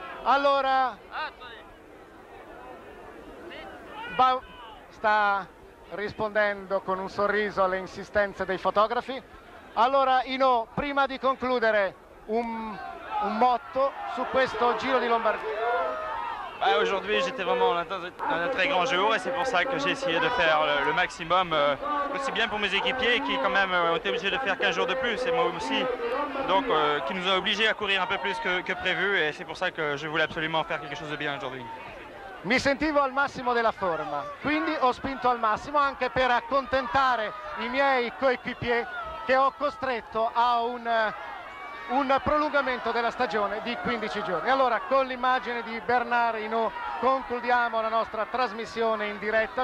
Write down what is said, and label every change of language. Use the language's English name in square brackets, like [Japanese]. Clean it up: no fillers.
[Italian] Allora, sta rispondendo con un sorriso alle insistenze dei fotografi. Allora Hinault, prima di concludere, un motto su questo Giro di Lombardia. [French] Ah, aujourd'hui j'étais vraiment dans un très grand jour et c'est pour ça que j'ai essayé de faire le maximum, aussi bien pour mes équipiers qui quand même ont été obligés de faire 15 jours de plus et moi aussi, donc qui nous ont obligés à courir un peu plus que prévu et c'est pour ça que je voulais absolument faire quelque chose de bien aujourd'hui. [Italian] Mi sentivo al massimo della forma, quindi ho spinto al massimo anche per accontentare i miei coéquipiers che ho costretto a un prolungamento della stagione di 15 giorni. Allora, con l'immagine di Bernard Hinault concludiamo la nostra trasmissione in diretta.